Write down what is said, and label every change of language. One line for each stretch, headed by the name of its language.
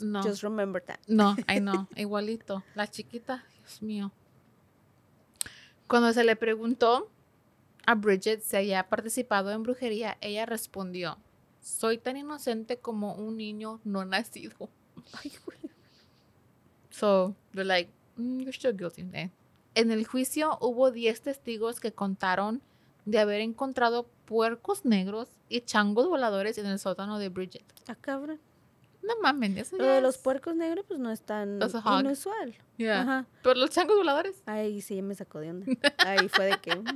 English: No. Just remember that. No, I know.
Spanish: Igualito. La chiquita, Dios mío. Cuando se le preguntó a Bridget si había participado en brujería, ella respondió, soy tan inocente como un niño no nacido. Ay, güey.
English: So, they're like, you're still guilty, eh.
Spanish: En el juicio hubo 10 testigos que contaron de haber encontrado puercos negros y changos voladores en el sótano de Bridget. Ah, cabrón. No mames, eso lo de los puercos negros, pues no es tan inusual. Yeah. Ajá. Pero los changos voladores. Ay, sí, me sacó de onda. Ahí fue de que...